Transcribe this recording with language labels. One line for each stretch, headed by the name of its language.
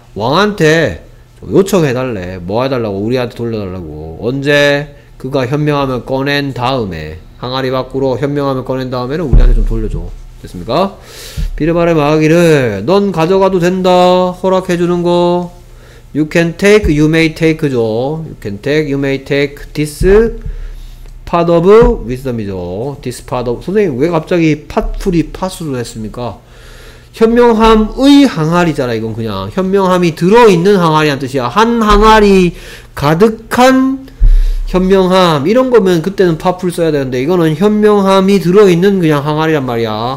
Korean: 왕한테 요청해달래. 뭐 해달라고? 우리한테 돌려달라고. 언제? 그가 현명하면 꺼낸 다음에. 항아리 밖으로 현명하면 꺼낸 다음에는 우리한테 좀 돌려줘. 됐습니까? 비르발의 말하기를, 넌 가져가도 된다. 허락해주는 거.
English: You can take, you may take죠. You can take, you may take this part of wisdom이죠. This part of.
Korean: 선생님, 왜 갑자기 팟풀이 팟수로 했습니까? 현명함의 항아리잖아, 이건 그냥. 현명함이 들어있는 항아리란 뜻이야. 한 항아리 가득한 현명함. 이런 거면 그때는 팝풀 써야 되는데, 이거는 현명함이 들어있는 그냥 항아리란 말이야.